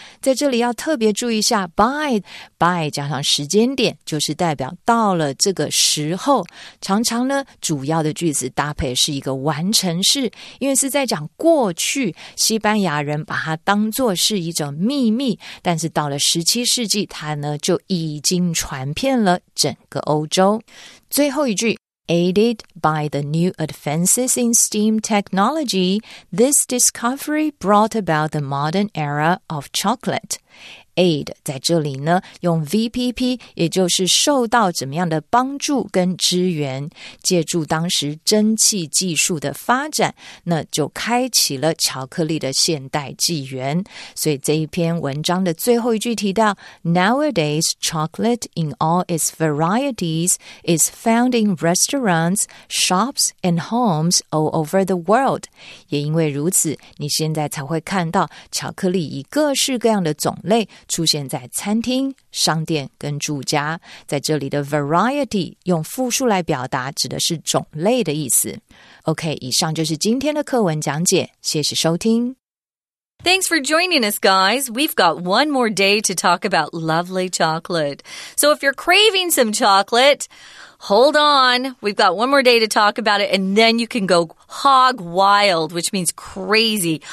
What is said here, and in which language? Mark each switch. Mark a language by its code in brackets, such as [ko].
[zh] 在这里要特别注意一下 by 加上时间点，就是代表到了这个时候。常常呢，主要的句子搭配是一个完成式，因为是在讲过去，西班牙人把它当作是一种秘密，但是到了17世纪，它呢就已经传遍了整个欧洲。最后一句 [en] ,Aided by the new advances in steam technology, this discovery brought about the modern era of chocolate. [zh] Aid 在这里呢用 VPP, 也就是受到怎么样的帮助跟支援。借助当时蒸汽技术的发展那就开启了巧克力的现代纪元。所以这一篇文章的最后一句提到 [en] Nowadays, chocolate in all its varieties is found in restaurants, shops, and homes all over the world. [zh] 也因为如此你现在才会看到巧克力以各式各样的种类出现在餐厅、商店跟住家，在这里的 variety 用复数来表达，指的是种类的意思。 OK， 以上就是今天的课文讲解，谢谢收听。 [en] Thanks for joining us, guys. We've got one more day to talk about lovely chocolate. So if you're craving some chocolate, hold on. We've got one more day to talk about it, and then you can go hog wild, which means crazy.